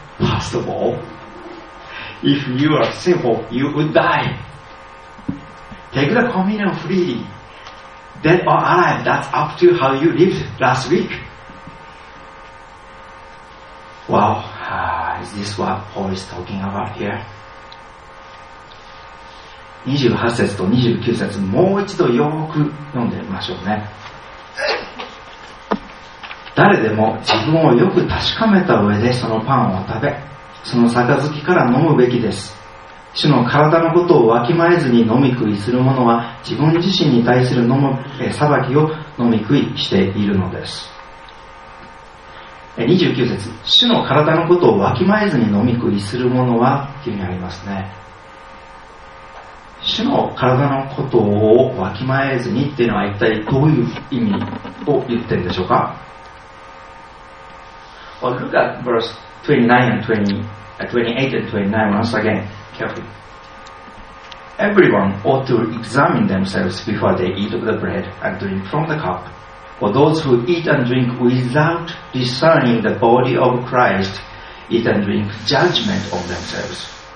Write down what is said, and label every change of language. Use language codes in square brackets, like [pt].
[en] First of all, if you are sinful, you would die. Take the communion freely. Dead or alive, that's up to how you lived last week. Wow, is this what Paul is talking about here? [ja] 28節と29節もう一度よく読んでみましょうね。誰でも自分をよく確かめた上でそのパンを食べ、その杯から飲むべきです。主の体のことをわきまえずに飲み食いする者は自分自身に対する裁きを飲み食いしているのです。 29節、主の体のことをわきまえずに飲み食いする者はっていうふうにありますね。主の体のことをわきまえずにっていうのは一体どういう意味を言ってるんでしょうか。 [en] Well, look at verse 29 and 28 and 29 once again carefully. Everyone ought to examine themselves before they eat of the bread and drink from the cup. For those who eat and drink without discerning the body of Christ eat and drink judgment on themselves.